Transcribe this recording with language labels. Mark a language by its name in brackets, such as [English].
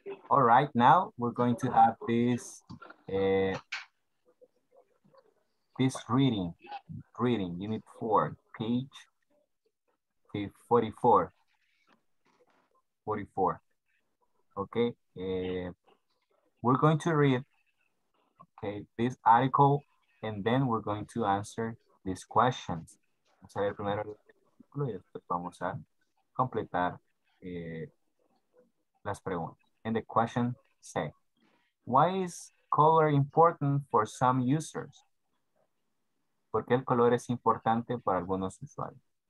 [English] All right, now we're going to have this this reading, unit 4, page 44. Okay, we're going to read, okay, this article, and then we're going to answer these questions. [Spanish] Vamos a ver primero el artículo y después vamos a completar las preguntas. [English] And the question say, why is color important for some users? [Spanish] ¿Por qué el color es importante para algunos usuarios?